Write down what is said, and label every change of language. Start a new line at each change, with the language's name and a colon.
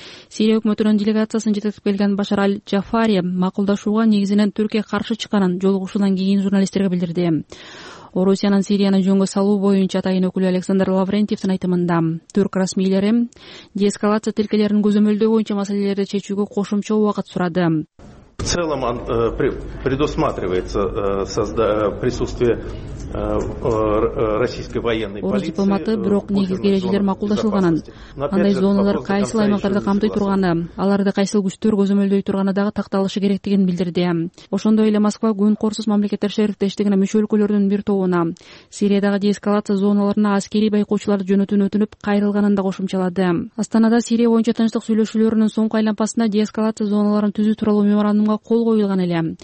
Kyrgyz: Сирия өкмөтүнүн делегациясын жетектеп келген Башар аль-Джафари макулдашууга негизинен Түркия каршы чыкканын жолугушуудан кийин журналисттерге билдирди. Орусиянын Сирияны жөнгө салуу боюнча атайын өкүлү Александр Лаврентьевдин айтымында түрк расмийлери деэскалация тилкелерин көзөмөлдөө боюнча маселелерди чечүүгө кошумча убакыт сурады.
Russian: В целом предусматривается присутствие российской военной полиции.
Kyrgyz: Орус дипломаты бирок негизги эрежелер макулдашылганын, андай зоналар кайсыл аймактарды камтый турганы, аларды кайсыл күчтөр көзөмөлдөй турганы дагы такталышы керектигин билдирди. Ошондой эле Москва күн корсуз мамлекеттер шерифтештигине мүчө өлкөлөрдүн бир тобуна Сириядагы деэскалация зоналарына аскерий байкоочуларды жөнөтүүнү өтүнүп кайрылганын да кошумчалады. Астанада Сирия боюнча тынчтык сүйлөшүүлөрүнүн соңку айлампасында деэскалация зоналарын түзүү тууралуу меморандум келишимге кол коюлган эле.